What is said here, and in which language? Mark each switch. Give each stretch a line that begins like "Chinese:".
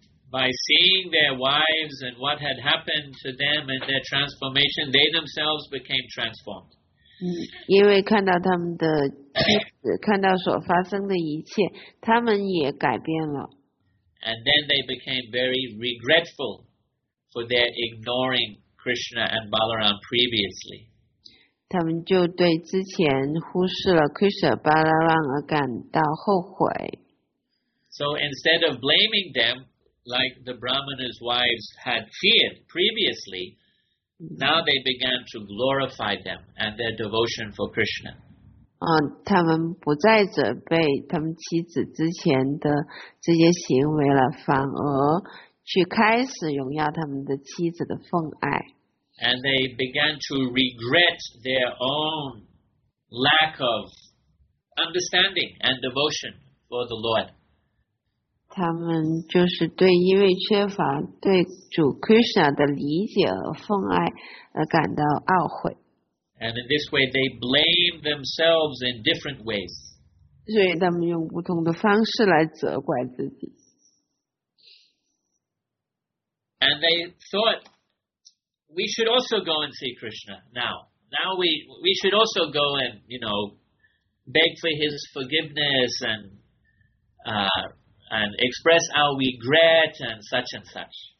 English: By seeing their wives and what had happened to them and their transformation, they themselves became transformed.
Chinese: 因为看到他们的妻子，看到所发生的一切，他们也改变了。
English: And then they became very regretful for their ignoring Krishna and Balaram previously.
Chinese: 他们就对之前忽视了 Krishna Balaram 而感到后悔。
English: So instead of blaming them, like the Brahmana's wives had feared previously, now they began to glorify them and their devotion for Krishna.
Chinese: 他们不再责备他们妻子之前的这些行为了，反而去开始荣耀他们的妻子的奉爱。
English: And they began to regret their own lack of understanding and devotion for the Lord.
Chinese: 他们就是对因为缺乏对主 Krishna 的理解和奉爱而感到懊悔。
English: And in this way, they blame themselves in different ways.
Chinese: 所以他们用不同的方式来责怪自己。
English: And they thought, we should also go and see Krishna now. Now we should also go and, you know, beg for his forgiveness and express our regret and such and such.